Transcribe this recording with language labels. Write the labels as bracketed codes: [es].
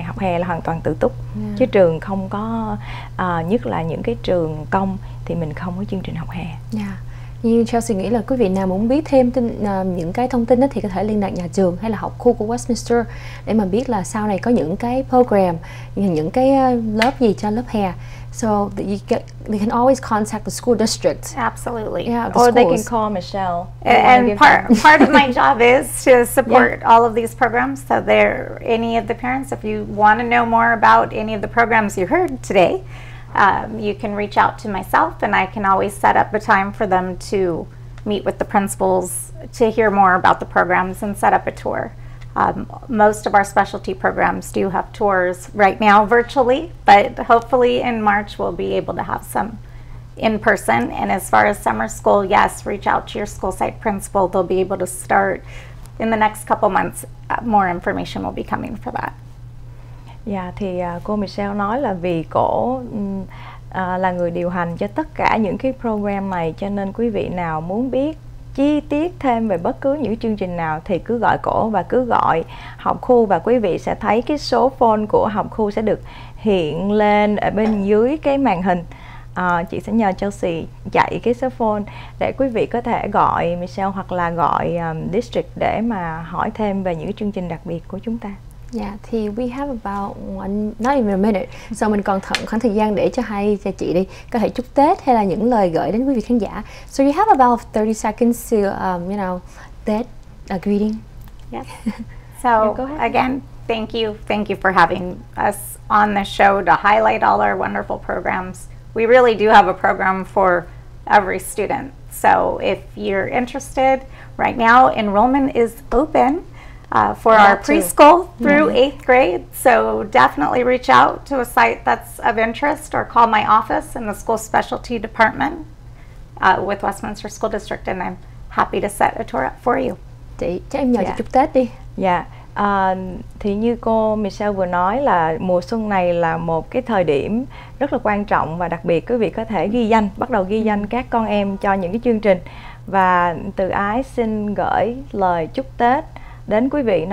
[vi] Học hè là hoàn toàn tự túc. [en] Yeah. [vi] Chứ trường không có, nhất là những cái trường công thì mình không có chương trình học hè. [en] Yeah. [vi] Như Chelsea nghĩ là quý vị nào muốn biết thêm những cái thông tin thì có thể liên lạc nhà trường hay là học khu của Westminster để mà biết là sau này có những cái program, những cái lớp gì cho lớp hè. [en] So they can always contact the school district. Absolutely. Yeah, or schools. They can call Michelle. And part of my job is to support yeah. all of these programs. So there, any of the parents, if you want to know more about any of the programs you heard today, you can reach out to myself and I can always set up a time for them to meet with the principals to hear more about the programs and set up a tour. Most of our specialty programs do have tours right now virtually, but hopefully in March we'll be able to have some in person. And as far as summer school, yes, reach out to your school site principal. They'll be able to start in the next couple months. More information will be coming for that. [vi] Yeah, thì cô Michelle nói là vì cổ là người điều hành cho tất cả những cái program này, cho nên quý vị nào muốn biết chi tiết thêm về bất cứ những chương trình nào thì cứ gọi cổ và cứ gọi học khu, và quý vị sẽ thấy cái số phone của học khu sẽ được hiện lên ở bên dưới cái màn hình. Chị sẽ nhờ Chelsea chạy cái số phone để quý vị có thể gọi Michelle hoặc là gọi district để mà hỏi thêm về những chương trình đặc biệt của chúng ta. Yeah, thì [en] we have about not even a minute, so [vi] mình còn khoảng thời gian để cho hai cho chị đi có thể chúc Tết hay là những lời gửi đến quý vị khán giả. [en] So you have about 30 seconds to you know, Tết greeting. Yes. So yeah, again, thank you for having us on the show to highlight all our wonderful programs. We really do have a program for every student. So if you're interested, right now enrollment is open. For our preschool through mm-hmm. eighth grade. So definitely reach out to a site that's of interest or call my office in the school specialty department with Westminster School District, and I'm happy to set a tour up for you. [vi] Chị em nhờ chúc Tết đi. [en] Yeah. [vi] Thì như cô Michelle vừa nói là mùa xuân này là một cái thời điểm rất là quan trọng và đặc biệt, quý vị có thể ghi danh, bắt đầu ghi danh các con em cho những cái chương trình. Và từ ái xin gửi lời chúc Tết đến quý vị.